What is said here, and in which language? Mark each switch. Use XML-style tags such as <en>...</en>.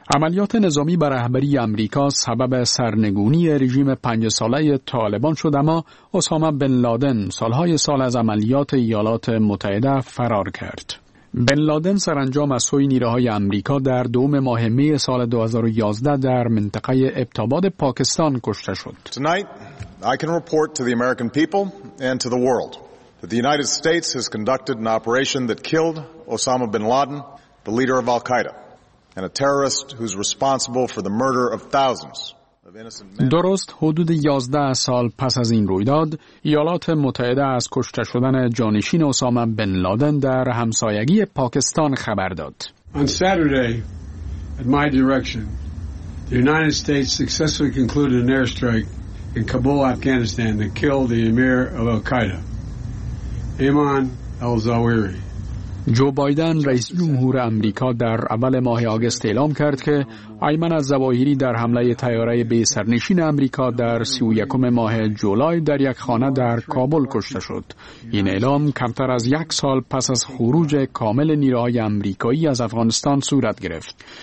<fa>عملیات نظامی بر رهبری آمریکا سبب سرنگونی رژیم 5 ساله طالبان شد، اما اسامه بن لادن سالهای سال از عملیات ایالات متحده فرار کرد. بن لادن سرانجام از سوی نیروهای آمریکا در 2 می سال 2011 در منطقه ابتاباد پاکستان کشته شد.</fa> <en>Tonight I can report to the American people and to the world that the United States has conducted an operation that killed Osama bin Laden, the leader of Al-Qaeda. And a terrorist who's responsible for the murder of thousands of innocent men.</en> <fa>درست حدود 11 سال پس از این رویداد، ایالات متحده از کشته شدن جانشین اسامه بن لادن در همسایگی پاکستان خبر داد.</fa> <en>On Saturday, at my direction, the United States successfully concluded an airstrike in Kabul, Afghanistan, that killed the emir of Al-Qaeda, Ayman al-Zawahiri.</en> <fa>جو بایدن رئیس جمهور آمریکا در اول ماه آگوست اعلام کرد که ایمن الظواهری در حمله تیاره بی سرنشین آمریکا در 31 ماه جولای در یک خانه در کابل کشته شد. این اعلام کمتر از یک سال پس از خروج کامل نیروهای آمریکایی از افغانستان صورت گرفت.</fa>